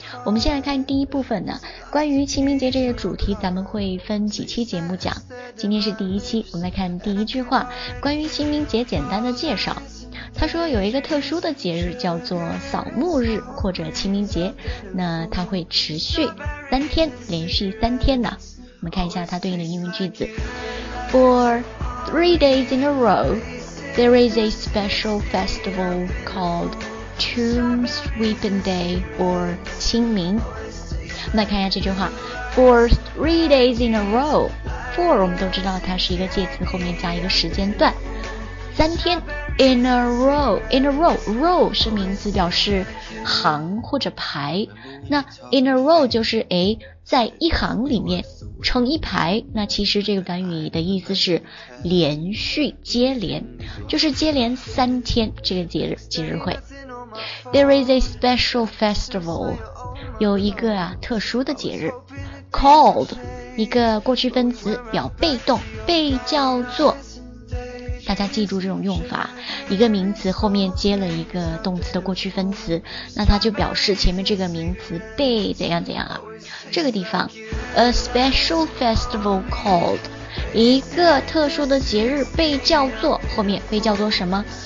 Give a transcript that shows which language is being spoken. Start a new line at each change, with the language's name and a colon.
Chinese: 我们先来看第一部分呢，关于清明节这个主题咱们会分几期节目讲，今天是第一期。我们来看第一句话，关于清明节简单的介绍。他说有一个特殊的节日叫做扫墓日或者清明节，那它会持续三天，连续三天呢。我们看一下它对应的英文句子。
English: FortThree days in a row, there is a special festival called Tomb Sweeping Day or 清明。
Chinese: 我们来看一下这句话。
English: For three days in a row,
Chinese: for 我们都知道它是一个介词，后面加一个时间段。三天
English: In a row,
Chinese: row 是名词，表示行或者排。那
English: in a row
Chinese: 就是诶，在一行里面成一排。那其实这个短语的意思是连续接连，就是接连三天这个节日会。
English: There is a special festival，
Chinese: 有一个啊特殊的节日。 Called， 一个过去分词，表被动，被叫做。大家记住这种用法，一个名词后面接了一个动词的过去分词，那它就表示前面这个名词被怎样怎样啊。这个地方
English: A special festival called，
Chinese: 一个特殊的节日被叫做，后面被叫做什么？